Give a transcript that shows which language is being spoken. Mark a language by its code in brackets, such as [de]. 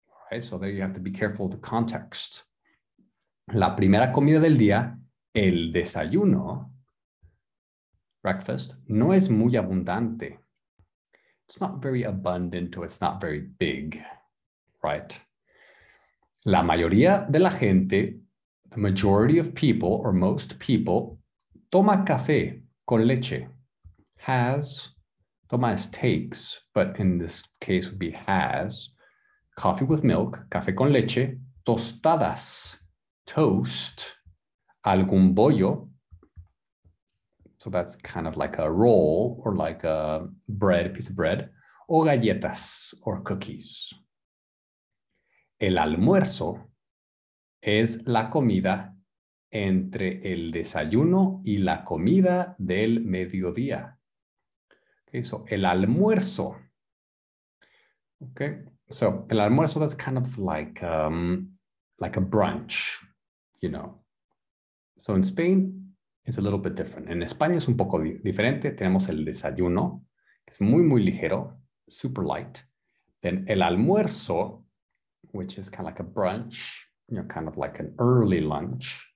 [en] Right, so there you have to be careful of the context. [es] La primera comida del día, el desayuno, breakfast, no es muy abundante. [en] It's not very abundant or it's not very big, right? [es] La mayoría de la gente, [en] the majority of people or most people, [es] toma café con leche. [en] Has, Tomas takes, but in this case would be has, coffee with milk, [es] café con leche, tostadas, [en] toast, [es] algún bollo. [en] So that's kind of like a roll or like a bread, piece of bread, [es] o galletas [en] or cookies. [es] El almuerzo es la comida entre el desayuno y la comida del mediodía. [en] Okay, so el almuerzo. Okay, so el almuerzo, that's kind of like a brunch, you know. So in Spain, it's a little bit different. [es] En España es un poco diferente. Tenemos el desayuno, que es muy, muy ligero, [en] super light. Then el almuerzo, which is kind of like a brunch, you know, kind of like an early lunch.